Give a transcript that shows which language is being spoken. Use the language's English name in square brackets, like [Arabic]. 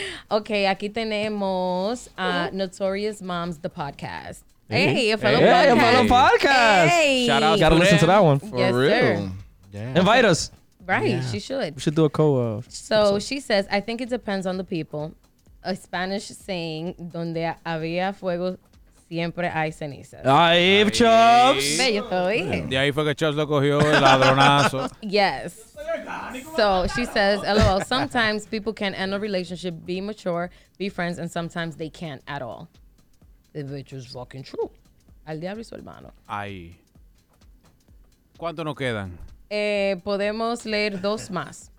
[Spanish] okay, aquí tenemos Notorious Moms, the podcast. [English] Hey, a fellow podcast. Hey. Shout out. Gotta listen to that one. For real. Invite us. Right, yeah. She should. We should do a co-op. So episode. She says, I think it depends on the people. A Spanish saying, [Spanish] donde había fuego, siempre hay cenizas. Ahí, Chubbs. Bello, te lo dije. De ahí fue que Chubbs lo cogió, el ladronazo. [English] Yes. So she says, LOL, sometimes people can end a relationship, be mature, be friends, and sometimes they can't at all. Which is fucking true. [Spanish] Al diablo y su hermano. Ahí. ¿Cuánto nos quedan? Podemos leer dos más.